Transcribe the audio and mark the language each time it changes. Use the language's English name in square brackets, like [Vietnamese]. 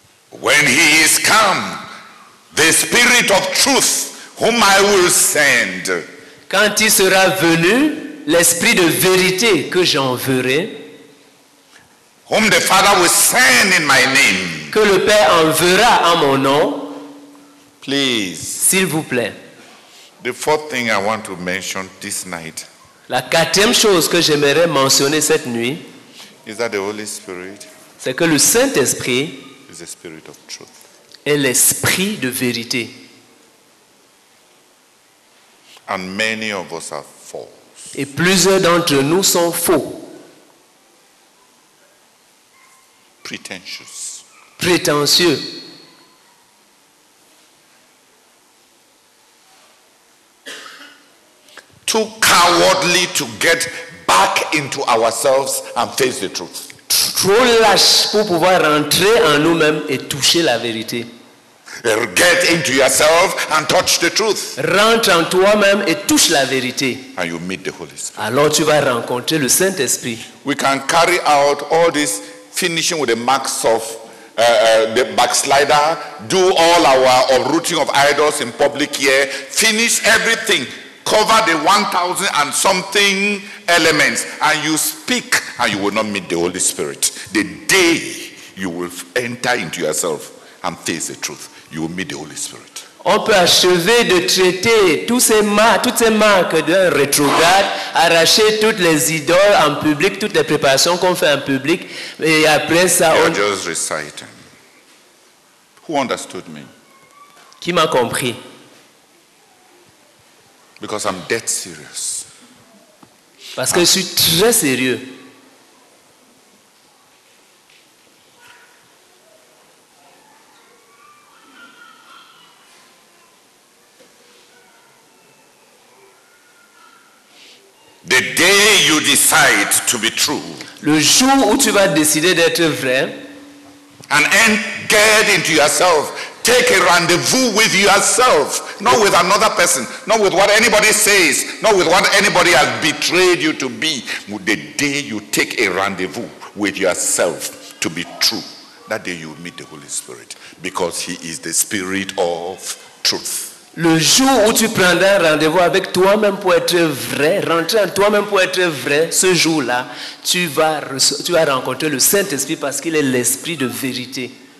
[English] When he is come, the Spirit of Truth, whom I will send. [French] Quand il sera venu, l'Esprit de vérité que j'enverrai. [English] Whom the Father will send in my name. [French] Que le Père enverra en mon nom. [English] Please. [French] S'il vous plaît. [English] The fourth thing I want to mention this night. [French] La quatrième chose que j'aimerais mentionner cette nuit. [English] Is that the Holy Spirit? [French] C'est que le Saint-Esprit. [English] Is the Spirit of Truth. [French] Est l'esprit de vérité. [English] And many of us are false. [French] Et plusieurs d'entre nous sont faux. [English] Pretentious. [French] prétentieux. [English] Too cowardly to get back into ourselves and face the truth. [French] Trop lâche pour pouvoir rentrer en nous-mêmes et toucher la vérité. [English] Get into yourself and touch the truth. [French] Rentre en toi-même et touche la vérité. [English] And you meet the Holy Spirit. [French] Alors tu vas rencontrer le Saint-Esprit. [English] We can carry out all this finishing with the marks of the backslider, do all our uprooting of idols in public here, finish everything, cover the 1,000 and something elements, and you speak, and you will not meet the Holy Spirit. The day you will enter into yourself and face the truth, you will meet the Holy Spirit. [French] On peut achever de traiter toutes ces marques d'un rétrograde, arracher toutes les idoles en public, toutes les préparations qu'on fait en public, et après ça, [English] you're on... just reciting. Who understood me? [French] Qui m'a compris? [English] Because I'm dead serious. [French] Parce que je suis très sérieux. [English] The day you decide to be true. [French] Le jour où tu vas décider d'être vrai. [English] And get into yourself. Take a rendezvous with yourself, not with another person, not with what anybody says, not with what anybody has betrayed you to be. The day you take a rendezvous with yourself to be true, that day you meet the Holy Spirit, because He is the Spirit of truth. [French] Le jour où tu prendras rendez-vous avec toi-même pour être vrai, rentrer en toi-même pour être vrai, ce jour-là, tu vas rencontrer le Saint-Esprit parce qu'il est l'Esprit de vérité.